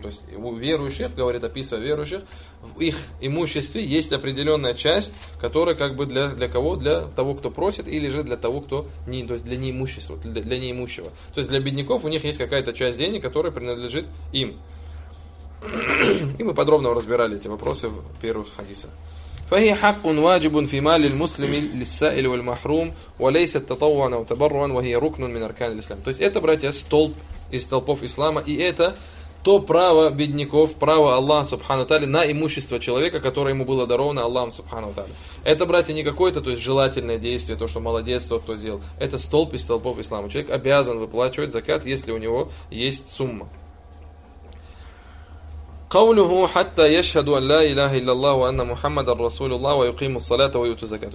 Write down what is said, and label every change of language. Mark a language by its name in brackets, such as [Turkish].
[Russian] То есть у верующих, говорит, описывая верующих, в их имуществе есть определенная часть, которая как бы для кого? Для того, кто просит, или же для того, кто не, то есть для неимущества, для неимущего. То есть для бедняков у них есть какая-то часть денег, которая принадлежит им. И мы подробно разбирали эти вопросы в первых хадисах. [Arabic] فهي حق واجب في مال المسلم للسائل والمحروم وليست تطوعا او تبرعا وهي ركن من اركان الاسلام. [Russian] То есть это, братья, столб из столпов ислама, и это то право бедняков, право Аллаха субхана ва тааля на имущество человека, которое ему было даровано Аллахом субхана ва тааля. Это, братья, не какое-то, то есть желательное действие, то что молодец, то кто сделал. Это столб из столпов ислама. Человек обязан выплачивать закат, если у него есть сумма. [Arabic] قوله حتى يشهد أن لا إله إلا الله وأن محمد رسول الله ويقيم الصلاة ويؤتي الزكاة.